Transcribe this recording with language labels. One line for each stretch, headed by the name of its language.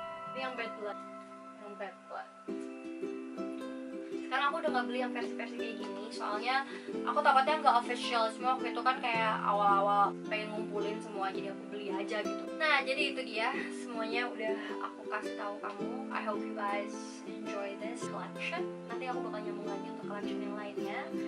Indonesian: Ini yang Bad Blood. Yang Bad Blood. Sekarang aku udah gak beli yang versi-versi kayak gini, soalnya aku takutnya gak official. Semua waktu itu kan kayak awal-awal pengen ngumpulin semua, jadi aku beli aja gitu. Nah jadi itu dia, semuanya udah aku kasih tahu kamu.
English: I hope you guys enjoy this collection.
Indonesian: Nanti aku bakal nyambung lagi untuk collection yang lainnya.